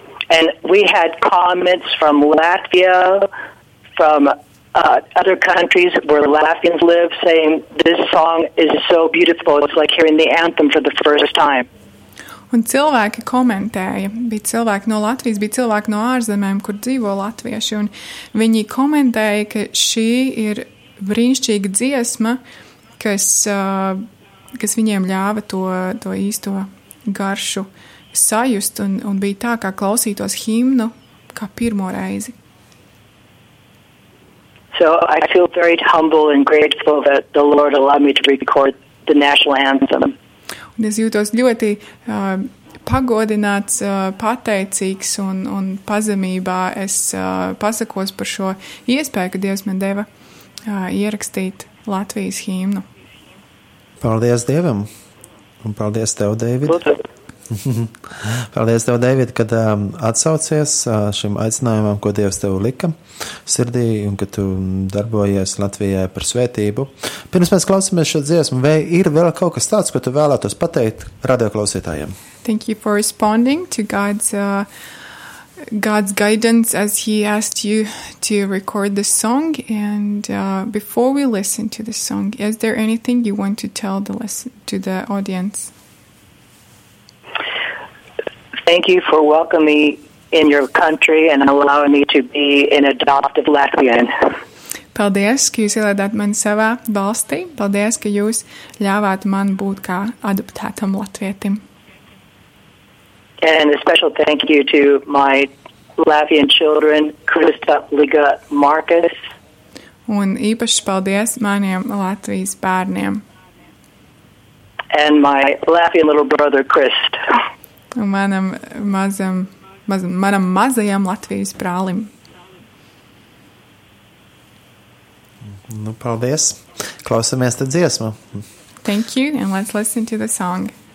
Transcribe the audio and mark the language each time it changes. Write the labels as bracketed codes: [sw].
[en] And we had comments from Latvia, from other countries where Latvians live, saying this song is so beautiful, it's like hearing the anthem for the first time. [lv] Un cilvēki komentēja, bija cilvēki no Latvijas, bija cilvēki no ārzemēm, kur dzīvo latvieši, un viņi komentēja, ka šī ir brīnišķīga dziesma, kas viņiem ļāva to īsto garšu sajust, un bija tā, kā klausītos himnu, kā pirmo reizi. [en] So I feel very humble and grateful that the Lord allowed me to record the national anthem. [lv] Un es jūtos ļoti pagodināts, pateicīgs un pazemībā es pasakos par šo iespēju, ka Dievs man deva ierakstīt Latvijas himnu. Paldies Dievam un paldies Tev, Dēvid. Paldies Tev, Dēvid, kad atsaucies šim aicinājumam, ko Dievs Tev lika sirdī un ka Tu darbojies Latvijai par svētību. Pirms mēs klausāmies šo dziesmu, vai ir vēl kaut kas tāds, ko Tu vēlētos pateikt radio klausītājiem? [en] Thank you for responding to God's guidance as He asked you to record the song. And before we listen to the song, is there anything you want to tell to the audience? Thank you for welcoming me in your country and allowing me to be an adoptive Latvian. [lv] Paldies, ka jūs ielēdāt mani savā valstī. Paldies, ka jūs ļāvāt man būt kā adoptētam latvietim. [en] And a special thank you to my Latvian children, Krista, Liga, Marcus. [lv] Un īpaši paldies maniem Latvijas bērniem. [en] And my Latvian little brother, Krist. [lv] Un manam mazajam Latvijas brālim. Nu, paldies. Klausamies tad dziesmu. [en] Thank you, and let's listen to the song.